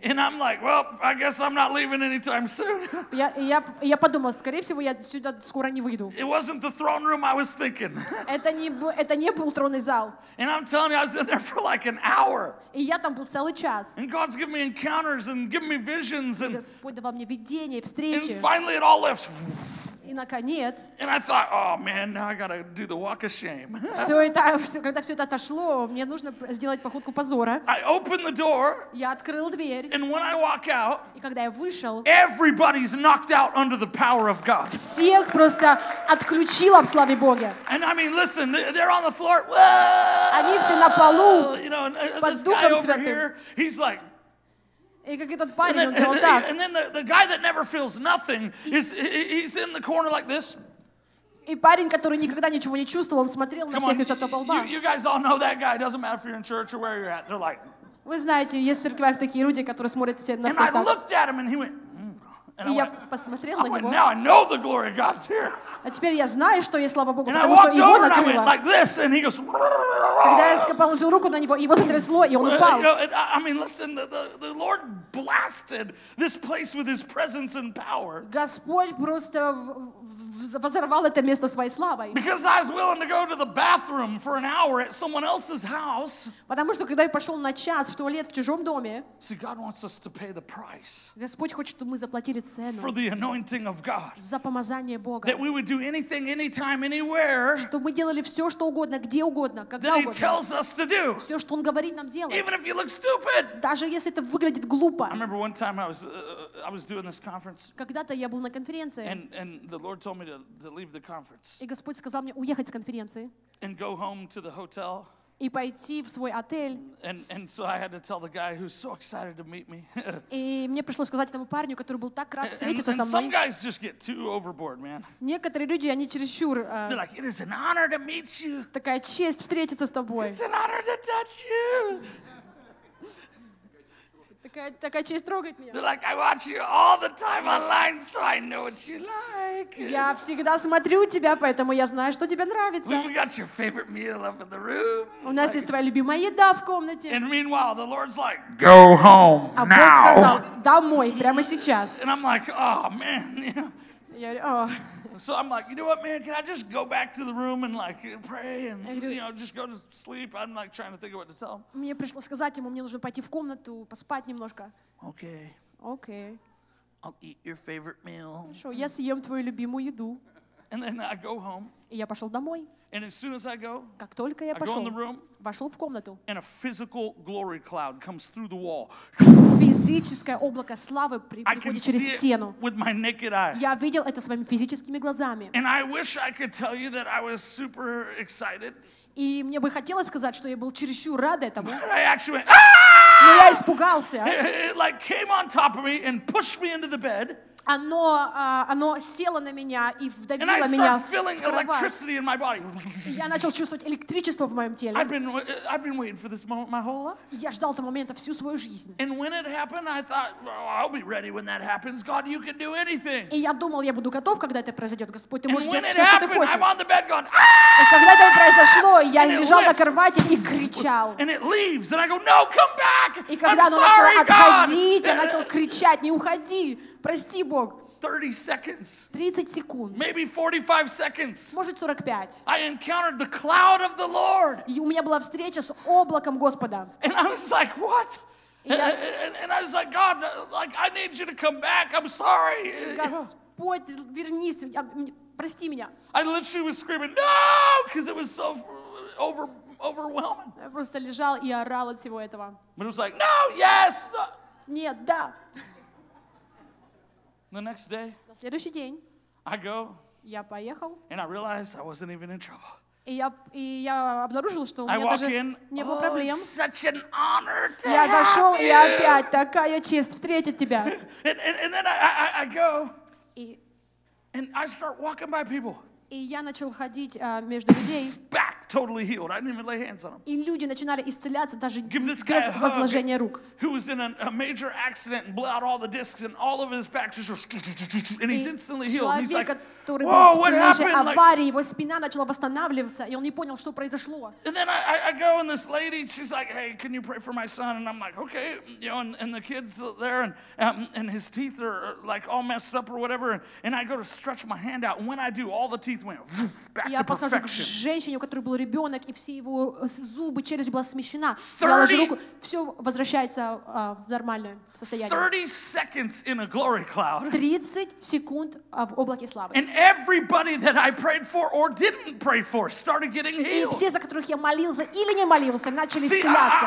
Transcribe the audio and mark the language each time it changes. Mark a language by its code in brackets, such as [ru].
[en] And I'm like, well, I guess I'm not leaving anytime soon. [ru] Я подумал, скорее всего, я сюда скоро не выйду. [en] It wasn't the throne room I was thinking. [ru] Это не был тронный зал. [en] And I'm telling you, I was in there for like an hour. [ru] И я там был целый час. [en] And God's giving me encounters and giving me visions and. [ru] Господь давал мне видения, встречи. [en] And finally, it all lifts. [ru] И наконец. [en] And I thought, oh man, now I gotta do the walk of shame. [ru] Когда все это отошло, мне нужно сделать походку позора. [en] I opened the door. [ru] Я открыл дверь. [en] And when I walk out. [ru] И когда я вышел. [en] Everybody's knocked out under the power of God. [ru] Всех просто отключило в славе Бога. [en] And I mean, listen, they're on the floor. [ru] Они все на полу. [en] You know, this guy over here, he's like. And then the guy that never feels nothing he's in the corner like this. [ru] И парень, который никогда ничего не чувствовал, он смотрел на всех из этого лба. [en] You guys all know that guy. It doesn't matter if you're in church or where you're at. They're like. [ru] Вы знаете, есть в церквях такие люди, которые смотрят все на всех. [en] And I looked at him and he went. [ru] И я посмотрел на него. [en] Now I know the glory of God's here. [ru] А теперь я знаю, что есть слава Богу, потому что его накрыло. [en] And I walked over and I went like this, and he goes. [ru] Когда я положил руку на него, его сотрясло, и он упал. [en] I mean, listen, the Lord blasted this place with His presence and power. [ru] Господь просто взорвал это место своей славой. [en] Because I was willing to go to the bathroom for an hour at someone else's house. [ru] Потому что когда я пошел на час в туалет в чужом доме. [en] See, God wants us to pay the price. [ru] Господь хочет, чтобы мы заплатили цену. [en] For the anointing of God. [ru] За помазание Бога. [en] That we would do anything, anytime, anywhere. [ru] Чтобы мы делали все, что угодно, где угодно, когда угодно. [en] That He tells us to do. [ru] Все, что Он говорит нам делать. [en] Even if you look stupid. [ru] Даже если это выглядит глупо. [en] I remember one time I was doing this conference. [ru] Когда-то я был на конференции. [en] And the Lord told me. To leave the conference. [ru] И Господь сказал мне уехать с конференции. [en] And go home to the hotel. [ru] и пойти в свой отель. [en] And so I had to tell the guy who's so excited to meet me. [ru] И мне пришлось сказать этому парню, который был так рад встретиться со мной. [en] Some guys just get too overboard, man. [ru] Некоторые люди, они чересчур. [en] They're like, it is an honor to meet you. [ru] Такая честь встретиться с тобой. [en] It's an honor to touch you. [ru] Такая честь трогать меня. [en] They're like, I watch you all the time online, so I know what you like. [ru] Я всегда смотрю тебя, поэтому я знаю, что тебе нравится. [en] We got your favorite meal up in the room. [ru] У нас есть твоя любимая еда в комнате. [en] And meanwhile, the Lord's like, go home now. [ru] А Бог сказал, домой, прямо сейчас. [en] And I'm like, oh man. [ru] Я говорю, о. [en] So I'm like, you know what, man? Can I just go back to the room and like pray and you know just go to sleep? I'm like trying to think of what to tell him. [ru] Мне пришлось сказать ему, мне нужно пойти в комнату поспать немножко. [en] Okay. Okay. I'll eat your favorite meal. [ru] Хорошо, я съем твою любимую еду. [en] And then I go home. [ru] И я пошел домой. [en] And as soon as I go, [ru] как только я пошел, вошел в комнату. [en] And a physical glory cloud comes through the wall. [ru] Физическое облако славы приходит через стену. [en] With my naked eye. [ru] Я видел это своими физическими глазами. [en] And I wish I could tell you that I was super excited. [ru] И мне бы хотелось сказать, что я был чересчур рад этому. [en] But I actually went, ah! [ru] Но я испугался. [en] It like came on top of me and pushed me into the bed. [ru] Оно село на меня и вдавило меня в кровать. Я начал чувствовать электричество в моем теле. [en] I've been waiting for this moment my whole life. [ru] Я ждал этого момента всю свою жизнь. [en] And when it happened, I thought, well, I'll be ready when that happens. God, you can do anything. [ru] И я думал, я буду готов, когда это произойдет, Господь, ты можешь делать все, что ты хочешь. [en] I'm on the bed going, [ru] и когда это произошло, я лежал на кровати и кричал. [en] And it leaves, and I go, no, come back. [ru] И когда оно начало отходить, я начал кричать, не уходи. Прости, Бог. [en] 30 seconds. [ru] 30 секунд. [en] Maybe 45 seconds. [ru] Может, 45. [en] I encountered the cloud of the Lord. [ru] И у меня была встреча с облаком Господа. [en] And I was like, what? And I was like, God, like, I need you to come back. I'm sorry. [ru] Господь, вернись. Прости меня. [en] I literally was screaming, no, because it was so overwhelming. [ru] Я просто лежал и орал от всего этого. [en] But it was like, no, yes. [ru] Нет, да. [en] The next day, [ru] на следующий день, [en] I go, [ru] я поехал, [en] and I realized I wasn't even in trouble. [ru] И я обнаружил, что у меня даже [en] in, [ru] не было проблем. [en] Oh, such an honor to [ru] я вошел, и опять такая честь встретить тебя. [en] And then I go, and I start walking by people. [ru] И я начал ходить между людей. [en] Back, totally healed. I didn't even lay hands on them. [ru] И люди начинали исцеляться даже без возложения рук. [en] Who was in a major accident and blew out all the discs and all of his back just and he's instantly healed. He's like, [ru] который был в сильнейшей аварии, его спина начала восстанавливаться, и он не понял, что произошло. [en] And then I go and this lady, she's like, hey, can you pray for my son? And I'm like, okay, you know, and the kid's there, and his teeth are like all messed up or whatever. And I go to stretch my hand out, and when I do, all the teeth went back to perfection. [ru] Я подхожу к женщине, у которой был ребенок, и все его зубы, челюсть была смещена. Положу руку, все возвращается в нормальное состояние. [en] 30 seconds in a glory cloud. [ru] 30 секунд в облаке славы. [en] And everybody that I prayed for or didn't pray for started getting healed. [ru] И все, за которых я молился или не молился, начали исцеляться.